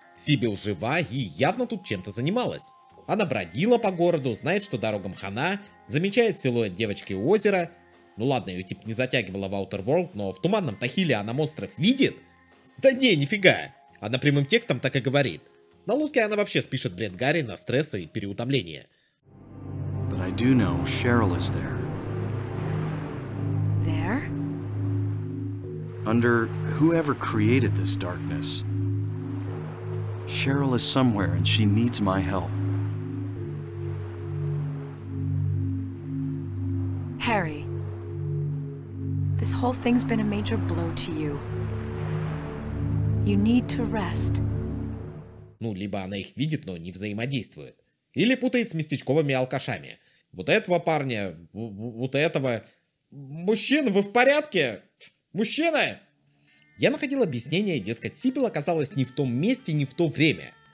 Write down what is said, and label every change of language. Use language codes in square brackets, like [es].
[ru] Сибил жива и явно тут чем-то занималась. Она бродила по городу, знает, что дорогам хана, замечает силуэт девочки у озера. Ну ладно, ее тип не затягивала в Outer World, но в туманном Тахиле она монстров видит? Да не, нифига. Она прямым текстом так и говорит. На лодке она вообще спишет бред Гарри на стрессы и переутомление. [en] But I do know Cheryl is there. There? Under whoever created this darkness. Cheryl is somewhere and she needs my help. Harry, this whole thing's been a major blow to you. You need to rest. [ru] Ну, либо она их видит, но не взаимодействует. Или путает с местечковыми алкашами. Вот этого парня, вот этого... Мужчин, вы в порядке? Мужчина! Я находил объяснение, дескать, Сибил оказалась не в том месте, не в то время.